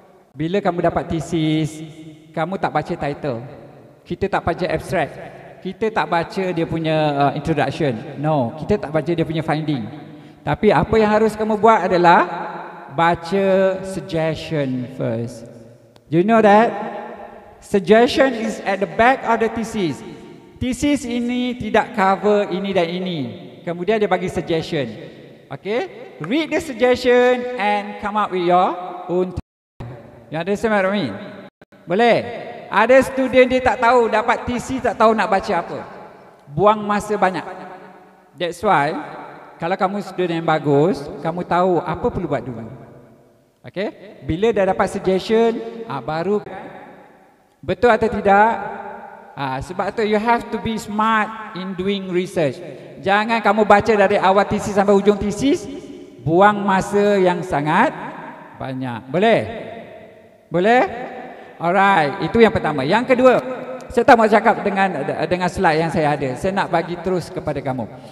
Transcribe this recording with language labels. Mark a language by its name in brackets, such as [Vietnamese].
[Malay] Bila kamu dapat thesis, kamu tak baca title. Kita tak baca abstract. Kita tak baca dia punya introduction. No, kita tak baca dia punya finding. Tapi apa yang harus kamu buat adalah baca suggestion first. [English] You know that? Suggestion is at the back of the thesis. [Malay] Thesis ini tidak cover ini dan ini. Kemudian dia bagi suggestion. Okay? [English] Read the suggestion and come up with your own title. You understand what I mean? [Malay] Boleh? Ada student dia tak tahu, dapat thesis tak tahu nak baca apa. Buang masa banyak. [English] That's why, [Malay] kalau kamu student yang bagus, kamu tahu apa perlu buat dulu. Okay? Bila dah dapat suggestion, baru betul atau tidak? Sebab tu [English] you have to be smart in doing research. [Malay] Jangan kamu baca dari awal thesis sampai hujung thesis, buang masa yang sangat banyak. Boleh? Boleh? Alright, itu yang pertama. Yang kedua, saya tak mau cakap dengan slide yang saya ada. Saya nak bagi terus kepada kamu.